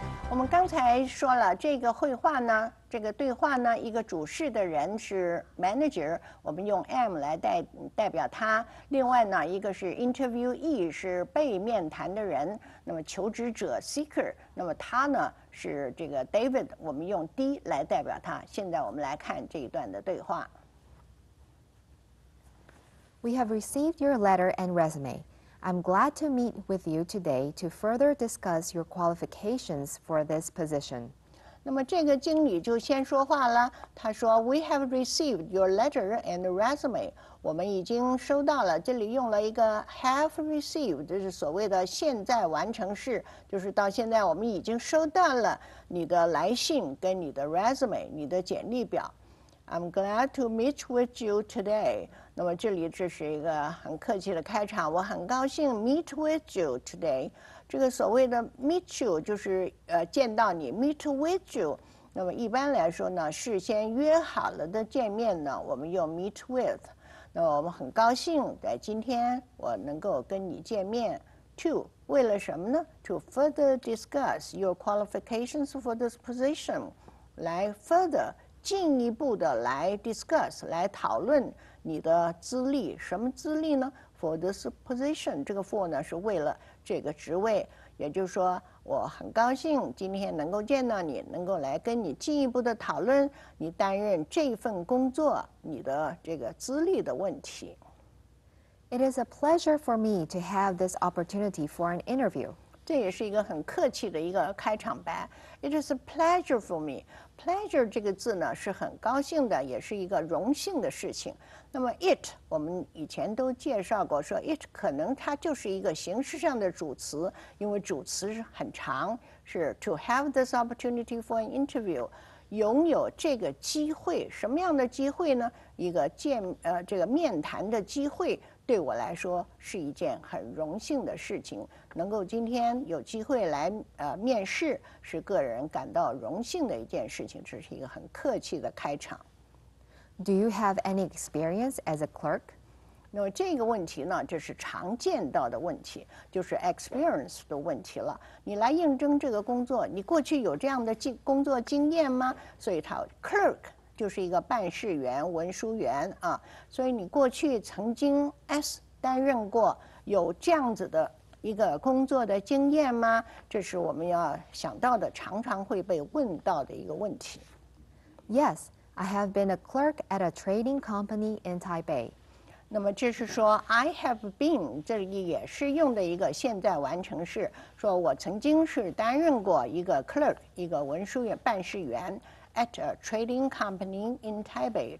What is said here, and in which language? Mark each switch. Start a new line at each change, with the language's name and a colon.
Chinese: 我们刚才说了这个绘画呢，这个对话呢，一个主事的人是 manager， 我们用 M 来代表他。另外呢，一个是 interviewee， 是被面谈的人，那么求职者 seeker， 那么他呢是这个 David， 我们用 D 来代表他。现在我们来看这一段的对话。
English: We have received your letter and resume. I'm glad to meet with you today to further discuss your qualifications for this position.
Chinese: 那么这个经理就先说话了，他说
English: We have received your letter and resume.
Chinese: 我们已经收到了，这里用了一个
English: have received，
Chinese: 这是所谓的现在完成式，就是到现在我们已经收到了你的来信跟你的 resume， 你的简历表。
English: I'm glad to meet with you today.
Chinese: 那么这里这是一个很客气的开场，我很高兴
English: meet with you today.
Chinese: 这个所谓的
English: meet you
Chinese: 就是见到你
English: meet with you.
Chinese: 那么一般来说呢，事先约好了的见面呢，我们用
English: meet with。
Chinese: 那么我们很高兴在今天我能够跟你见面。 To 为了什么呢？
English: To further discuss your qualifications for this position.
Chinese: 来 further进一步的来 discuss， 来讨论你的资历。什么资历呢？
English: For this position，
Chinese: 这个 for 呢是为了这个职位，也就是说我很高兴今天能够见到你，能够来跟你进一步的讨论你担任这份工作你的这个资历的问题。
English: It is a pleasure for me to have this opportunity for an interview.
Chinese: 这也是一个很客气的一个开场白。
English: It is a pleasure for mePleasure
Chinese: 这个字呢是很高兴的，也是一个荣幸的事情。那么 it 我们以前都介绍过，说 it 可能它就是一个形式上的主词，因为主词是很长，是
English: to have this opportunity for an interview，
Chinese: 拥有这个机会。什么样的机会呢？一个这个面谈的机会，对我来说是一件很荣幸的事情，能够今天有机会来面试，是个人感到荣幸的一件事情。这是一个很客气的开场。
English: Do you have any experience as a clerk?
Chinese: 那么这个问题呢，这是常见到的问题，就是 experience 的问题了。你来应征这个工作，你过去有这样的工作经验吗？所以他 clerk。就是一个办事员、文书员啊，所以你过去曾经 S 担任过有这样子的一个工作的经验吗？这是我们要想到的，常常会被问到的一个问题。
English: Yes, I have been a clerk at a trading company in Taipei.
Chinese: 那么这是说
English: I have been，
Chinese: 这里也是用的一个现在完成式，说我曾经是担任过一个 clerk， 一个文书员、办事员。
English: At a trading company in Taipei.